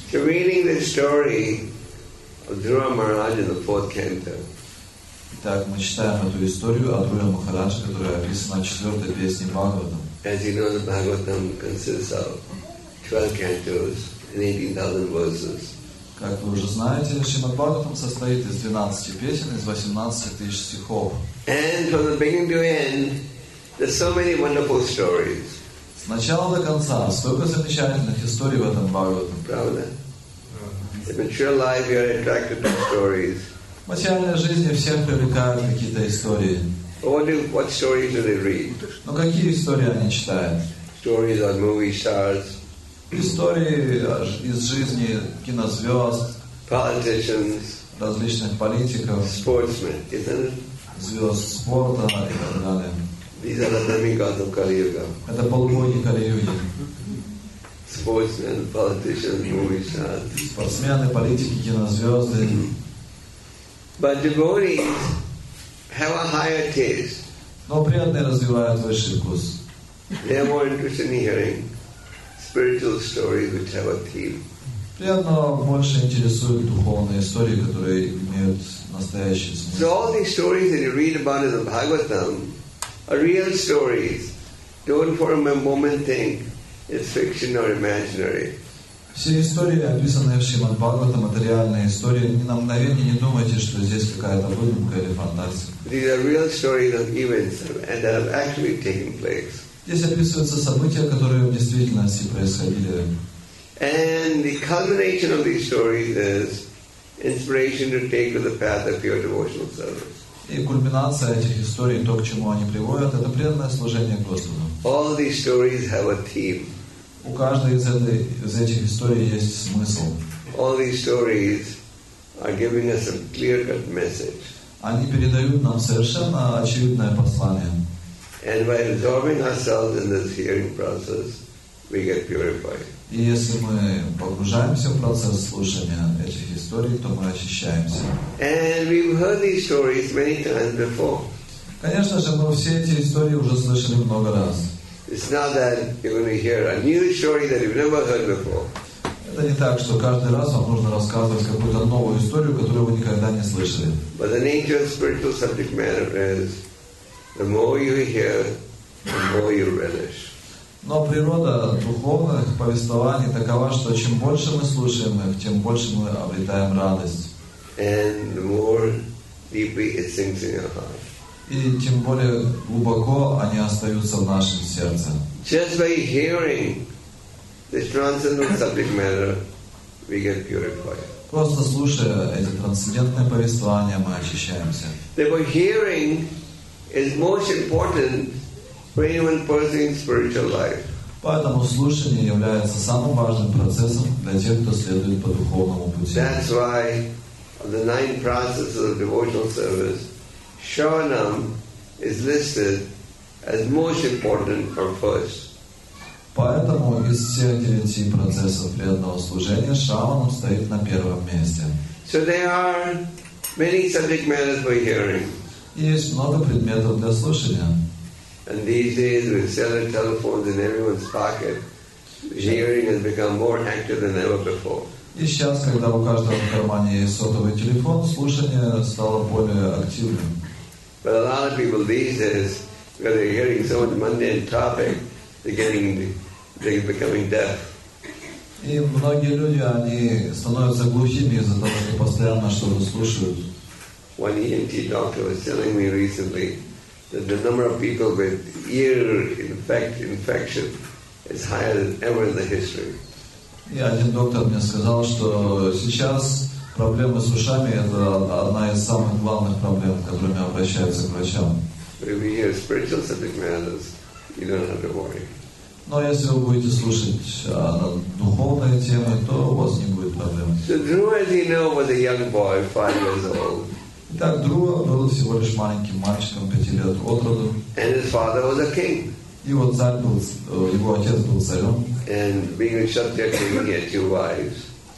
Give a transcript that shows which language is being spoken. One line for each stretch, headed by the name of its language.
English: So reading the story of Dhruva Maharaj in the fourth canto.
Russian: Итак, мы читаем эту историю о Дхруве Махарадже, которая описана в четвертой песне Бхагаватам.
English: As you know, the Bhagavatam consists of 12 cantos and 18,000 verses.
Russian: Как вы уже знаете, Шримад Бхагаватам состоит из 12 песен и 18 тысяч стихов.
English: And from the beginning to end, there's so many wonderful stories.
Russian: С начала до конца столько замечательных историй в этом Бхагаватам. Правда?
English: In material life, you are attracted to stories.
Russian: В материальной жизни всех привлекают какие-то истории.
English: What stories do they read?
Russian: Но какие истории они читают?
English: Stories of movie stars.
Russian: Истории из жизни кинозвезд,
English: politicians,
Russian: различных политиков,
English: sportsmen, isn't it?
Russian: Звезд спорта и так далее. Это полубогий Кали-юги. Спортсмены, политики, кинозвезды.
English: But devotees have a higher taste.
Russian: Но преданные развивают высший вкус.
English: They are more interested in hearing spiritual stories which have a theme.
Russian: Преданного больше интересуют духовные истории, которые имеют настоящий смысл.
English: So all these stories that you read about in the Bhagavatam are real stories. Don't for a moment think it's fiction or imaginary.
Russian: Все истории, описанные в Шримад-Бхагаватам, это реальные истории. Ни на мгновение не думайте, что здесь какая-то выдумка или фантазия. Здесь описываются события, которые в действительности происходили.
English: And the culmination of these stories is inspiration to take to the path of pure devotional service.
Russian: И кульминация этих историй, то, к чему они приводят, это преданное служение Господу.
English: All these stories have a theme.
Russian: У каждой из этих историй есть смысл.
English: All these stories are giving us a clear-cut message.
Russian: Они передают нам совершенно очевидное послание.
English: And by absorbing ourselves in this hearing process, we get purified.
Russian: И если мы погружаемся в процесс слушания этих историй, то мы очищаемся.
English: And we've heard these stories many times before.
Russian: Конечно же, мы все эти истории уже слышали много раз.
English: It's not that you're going to hear a new story that you've never heard before.
Russian: Это не так, что каждый раз вам нужно рассказывать какую-то новую историю, которую вы никогда не слышали.
English: But the nature of spiritual subject matter is the more you hear, the more you relish.
Russian: Но природа духовных повествований такова, что чем больше мы слушаем их, тем больше мы обретаем радость.
English: And the more deeply it sinks in your heart.
Russian: И тем более глубоко они остаются в нашем сердце.
English: Just by hearing this transcendental subject matter, we get purified.
Russian: Просто слушая эти трансцендентные повествования, мы очищаемся.
English: Therefore, hearing is most important. For anyone pursuing spiritual life.
Russian: Поэтому слушание является самым важным процессом для тех, кто следует по духовному пути.
English: That's why the nine processes of devotional service, Shravanam is listed as most important or first.
Russian: Поэтому из всех девяти процессов преданного служения Шраванам стоит на первом месте.
English: So there are many subject matters for hearing.
Russian: Есть много предметов для слушания.
English: And these days, with cellular telephones in everyone's pocket, hearing has become more active than ever before.
Russian: И сейчас, когда у каждого в кармане есть сотовый телефон, слушание стало более активным.
English: But a lot of people these days, because they're hearing so much mundane topic, they're becoming deaf.
Russian: И многие люди, они становятся глухими из-за того, что постоянно что-то слушают.
English: One ENT doctor was telling me recently. That the number of people with ear infection is higher than ever in the history.
Russian: Yeah, один доктор мне сказал, что сейчас проблемы с ушами это одна из самых главных проблем, с которыми обращаются к врачам.
English: If you hear spiritual subject matters, you don't have to worry.
Russian: Но если вы будете слушать духовные темы, то у вас не будет проблем.
English: So Drew, as you know, was a young boy, 5 years old.
Russian: Итак, Друва был всего лишь маленьким мальчиком, 5 лет от роду.
English: And his father was a king.
Russian: Его царь был, его отец был царем.
English: And being a kshatriya king, he had 2 wives.